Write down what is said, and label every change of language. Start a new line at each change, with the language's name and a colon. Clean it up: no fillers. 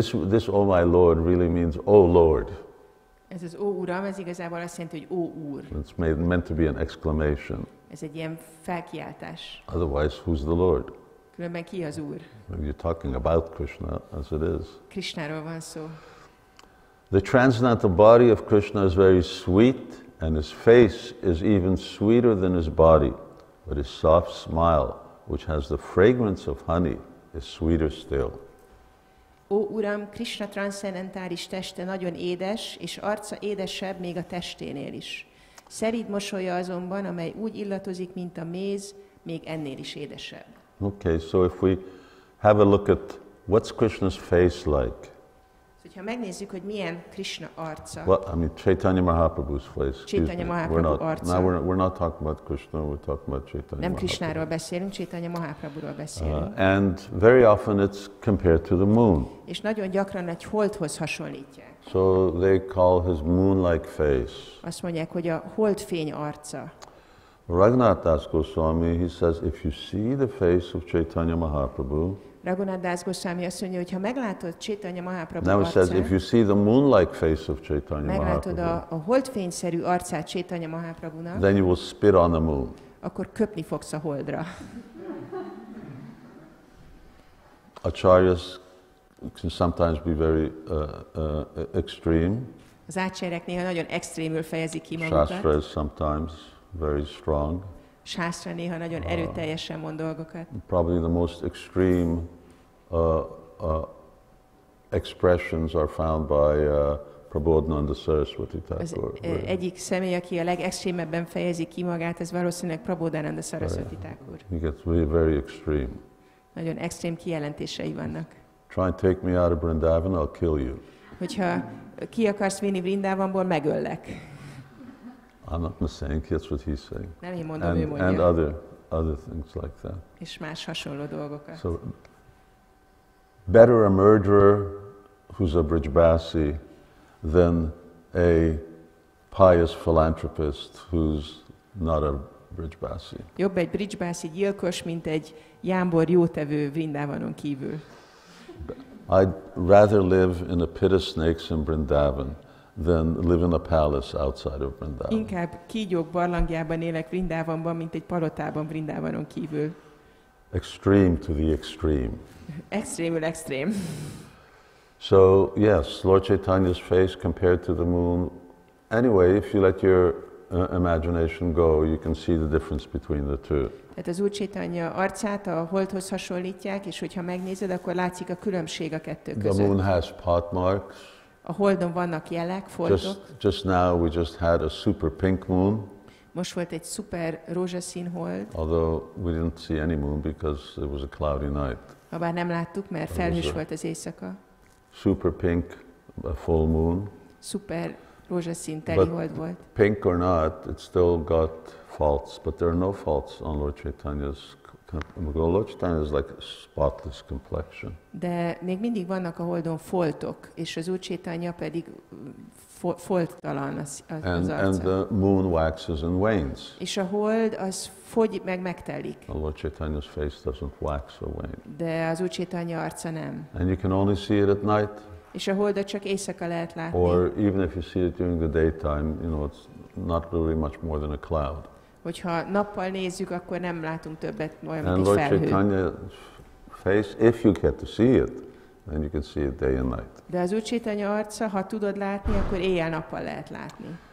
English: This oh my Lord really means oh Lord.
Hungarian: Ez az ó uram, ez igazából azt jelenti, hogy ó úr.
English: It's meant to be an exclamation.
Hungarian: Ez egy ilyen felkiáltás.
English: Otherwise, who's the Lord?
Hungarian: Különben ki az úr?
English: You're talking about Krishna as it is.
Hungarian: Krishnáról van szó.
English: The transcendental body of Krishna is very sweet, and his face is even sweeter than his body. But his soft smile, which has the fragrance of honey, is sweeter still.
Hungarian: Ó Uram, Krishna transzcendentális teste nagyon édes, és arca édesebb még a testénél is. Szerint mosolya azonban, amely úgy illatozik, mint a méz, még ennél is édesebb.
English: Okay, so if we have a look at what's Krishna's face like,
Hungarian: ha megnézzük, hogy milyen Krishna arca.
English: Chaitanya Mahaprabhu's face.
Hungarian: Chaitanya Mahaprabhu arca.
English: Now we're not talking about Krishna, we're talking about Chaitanya.
Hungarian: Nem Krishnáról beszélünk, Chaitanya Mahaprabhuról beszélünk.
English: And very often it's compared to the moon.
Hungarian: És nagyon gyakran egy holdhoz hasonlítják.
English: So they call his moon-like face.
Hungarian: Azt mondják, hogy a holdfény arca.
English: Raghunath Das Goswami, he says, if you see the face of Chaitanya Mahaprabhu,
Hungarian: Raghunath Das Goswami azt mondja, hogy ha meglátod Chaitanya Mahaprabhu
English: now
Hungarian: arcát,
English: says, if you see the moon-like face of Chaitanya
Hungarian: meglátod a holdfényszerű arcát Chaitanya Mahaprabhunak,
English: then you will spit on the moon.
Hungarian: Akkor köpni fogsz a holdra.
English: Acharyas can sometimes be very extreme.
Hungarian: Az ácsérek néha nagyon extrémül fejezik ki magukat.
English: Shastra is sometimes very strong.
Hungarian: Sásra néha nagyon erőteljesen mond dolgokat.
English: Probably the most extreme expressions are found by Prabodhananda Saraswati Thakur.
Hungarian: Az egyik személy, aki a legextrémebben fejezi ki magát, ez valószínűleg Prabodhananda Saraswati Thakur.
English: He gets very, very extreme.
Hungarian: Nagyon extrém kijelentései vannak.
English: Try and take me out of Vrindavan, I'll kill you.
Hungarian: Hogyha ki akarsz vinni Vrindavanból, megöllek.
English: I'm not saying, that's what he's saying.
Hungarian: Nem én mondom,
English: and,
Hungarian: ő mondja.
English: And other things like that.
Hungarian: És más hasonló dolgokat.
English: So, better a murderer who's a Brijbasi than a pious philanthropist who's not a Brijbasi.
Hungarian: Jobb egy Brijbasi gyilkos, mint egy jámbor jótevő Vrindavanon kívül.
English: I'd rather live in a pit of snakes in Vrindavan than live in a palace outside of Vrindavan.
Hungarian: Inkább kígyók barlangjában élek Vrindavanban, mint egy palotában Vrindavanon kívül.
English: Extreme to the extreme.
Hungarian: Extrémül extrém.
English: So, yes, Lord Chaitanya's face compared to the moon. Anyway, if you let your imagination go, you can see the difference between the two.
Hungarian: Tehát az Úr Chaitanya arcát a holdhoz hasonlítják, és hogyha megnézed, akkor látszik a különbség a kettő között.
English: The moon has pot marks.
Hungarian: A holdon vannak jelek, foltok.
English: Just now we just had a super pink moon.
Hungarian: Most volt egy szuper rózsaszín hold.
English: Although we didn't see any moon because it was a cloudy night.
Hungarian: Habár nem láttuk, mert felhős volt az éjszaka.
English: Super pink, a full moon.
Hungarian: Super rózsaszín teli hold volt.
English: Pink or not, it still got faults, but there are no faults on Lord Chaitanya's Goldstein is like a spotless complexion.
Hungarian: De még mindig vannak a Holdon foltok, és az Úrcsétanya pedig folttalan az arca.
English: And the moon waxes and wanes.
Hungarian: És a Hold az fogy meg megtelik.
English: A Lord Chaitanya's face doesn't wax or wane.
Hungarian: De az Úrcsétanya arca nem.
English: And you can only see it at night.
Hungarian: És a Holdat csak éjszaka lehet látni.
English: Or even if you see it during the daytime, you know, it's not really much more than a cloud.
Hungarian: Hogyha nappal nézzük, akkor nem látunk többet, olyan, mint egy felhő. Lord Chaitanya's face, if you get to see it, then you can see it day and night. De az Úr Chaitanya arca, ha tudod látni, akkor éjjel-nappal lehet látni.